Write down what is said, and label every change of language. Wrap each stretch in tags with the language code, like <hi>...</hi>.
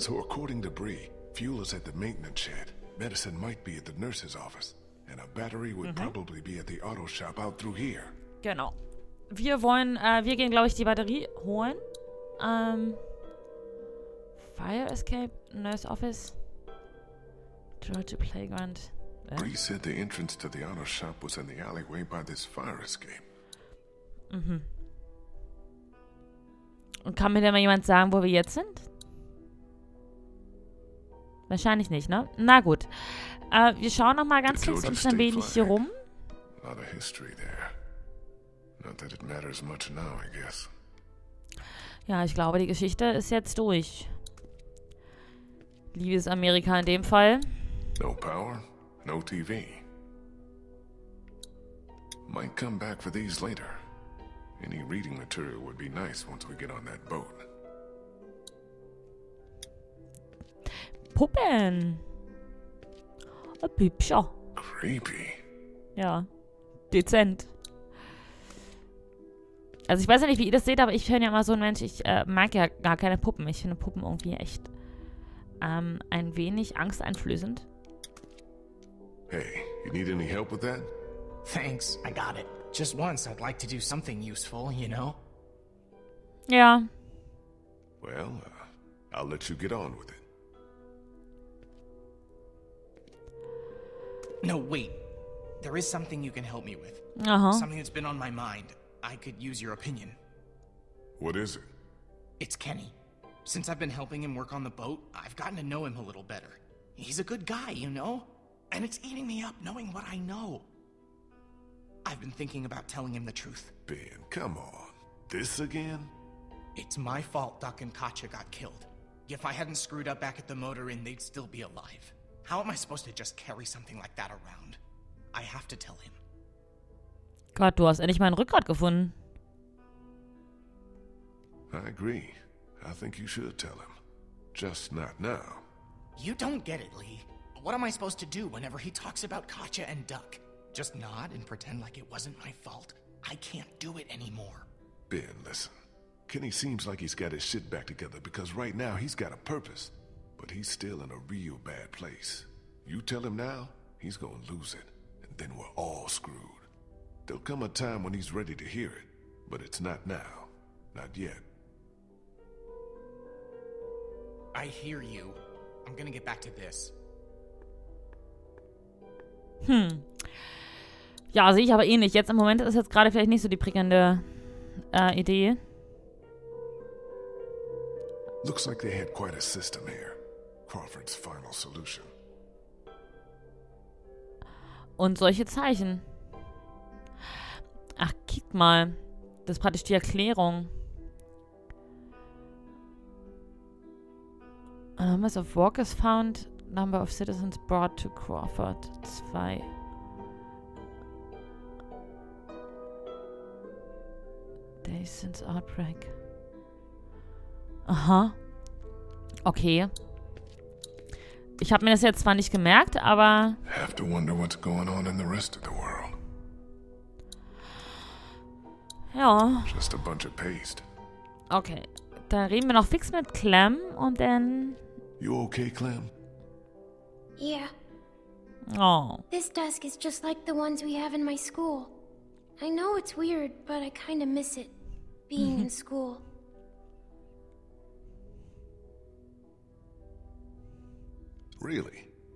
<en>So according to Bree, fuel is at the maintenance shed. Medicine might be at the nurse's office. And a battery would probably be at the auto shop out through here.</en> <de>Genau. Wir wollen, wir gehen, glaube ich, die Batterie holen.</de> <en>Fire escape, nurse office, Georgia playground. Bree said the entrance to the auto shop was in the alleyway by this fire escape. Mhm.</en> <de>Und kann mir denn mal jemand sagen, wo wir jetzt sind? Wahrscheinlich nicht, ne? Na gut. Wir schauen noch mal ganz kurz ein wenig hier rum.</de> <en>Not a history there. Not that it matters much now, I guess.</en> <de>Ja, ich glaube, die Geschichte ist jetzt durch. Liebes Amerika in dem Fall.</de> <en>No power, no TV. Might come back for these later. Any reading material would be nice once we get on that boat.</en> <de>Puppen. Püppchen.</de> <en>Creepy.</en> <de>Ja, dezent. Also ich weiß ja nicht, wie ihr das seht, aber ich höre ja immer so ein Mensch, ich mag ja gar keine Puppen. Ich finde Puppen irgendwie echt ein wenig angsteinflößend.</de> <en>Hey, you need any help with that? Thanks, I got it. Just once, I'd like to do something useful, you know?</en> <de>Ja.</de> <en>Well, I'll let you get on with it. No, wait. There is something you can help me with. Uh-huh. Something that's been on my mind. I could use your opinion. What is it? It's Kenny. Since I've been helping him work on the boat, I've gotten to know him a little better. He's a good guy, you know? And it's eating me up knowing what I know. I've been thinking about telling him the truth. Ben, come on. This again? It's my fault Doc and Katja got killed. If I hadn't screwed up back at the motor inn, they'd still be alive. How am I supposed to just carry something like that around? I have to tell him.</en> <de>Gott, du hast endlich meinen Rückgrat gefunden.</de> <en>I agree. I think you should tell him. Just not now. You don't get it, Lee. What am I supposed to do whenever he talks about Katja and Duck? Just nod and pretend like it wasn't my fault? I can't do it anymore. Ben, listen. Kenny seems like he's got his shit back together because right now he's got a purpose. But he's still in a real bad place. You tell him now, he's gonna lose it. And then we're all screwed. There'll come a time when he's ready to hear it, but it's not now. Not yet. I hear you. I'm gonna get back to this. Hm.</en> <de>Ja, sehe ich aber eh nicht. Jetzt im Moment ist jetzt gerade vielleicht nicht so die prickelnde Idee.</de> <en>Looks like they had quite a system here. Crawford's final solution.</en> <de>Und solche Zeichen. Ach, guck mal. Das ist praktisch die Erklärung.</de> <en>Numbers of workers found. Number of citizens brought to Crawford. 2. Days since outbreak. Aha. Okay.</en> <de>Ich habe mir das jetzt zwar nicht gemerkt, aber...</de> <en>I have to wonder what's going on in the rest of the world.</en> <de>Ja.</de> <en>Just a bunch of paste.</en> <de>Okay, dann reden wir noch fix mit Clem und dann...</de> <en>You okay, Clem? Yeah. Oh. This desk is just like the ones we have in my school. I know it's weird, but I kind of miss it, being in school. Really?</en>